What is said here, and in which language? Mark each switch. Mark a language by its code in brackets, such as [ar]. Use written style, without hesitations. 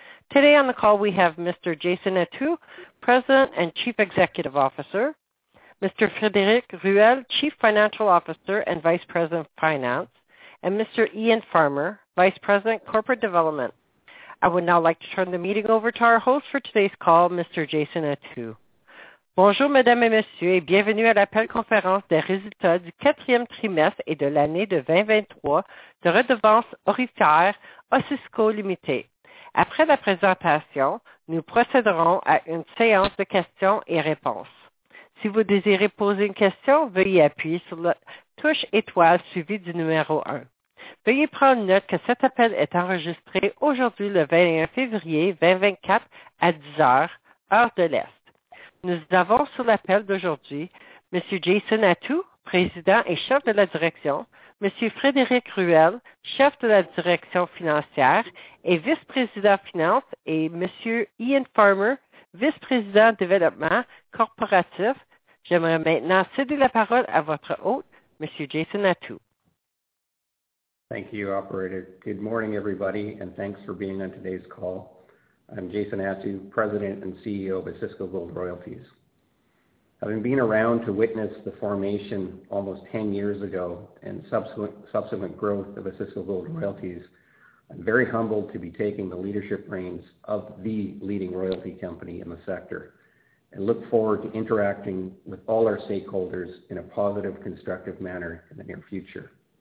[en] Today on the call, we have Mr. Jason Attew, President and Chief Executive Officer, Mr. Frédéric Ruel, Chief Financial Officer and Vice President of Finance, and Mr. Ian Farmer, Vice President, Corporate Development. I would now like to turn the meeting over to our host for today's call, Mr. Jason Attew. [fr] Bonjour, mesdames et messieurs, et bienvenue à l'appel conférence des résultats du quatrième trimestre et de l'année 2023 de Redevances Aurifères Osisko Limitée. Après la présentation, nous procéderons à une séance de questions et réponses. Si vous désirez poser une question, veuillez appuyer sur la touche étoile suivie du numéro un. Veuillez prendre note que cet appel est enregistré aujourd'hui, le 21 février 2024, à 10:00, heure de l'Est. Nous avons sur l'appel d'aujourd'hui Monsieur Jason Attew, Président et Chef de la Direction, Monsieur Frédéric Ruel, Chef de la Direction Financière et Vice-Président Finance, et Monsieur Ian Farmer, Vice-Président Développement Corporatif. J'aimerais maintenant céder la parole à votre hôte, Monsieur Jason Attew. [en] Thank you, operator. Good morning, everybody, and thanks for being on today's call. I'm Jason Attew, President and CEO of Osisko Gold Royalties. Having been around to witness the formation almost 10 years ago and subsequent growth of Osisko Gold Royalties, I'm very humbled to be taking the leadership reins of the leading royalty company in the sector and look forward to interacting with all our stakeholders in a positive, constructive manner in the near future.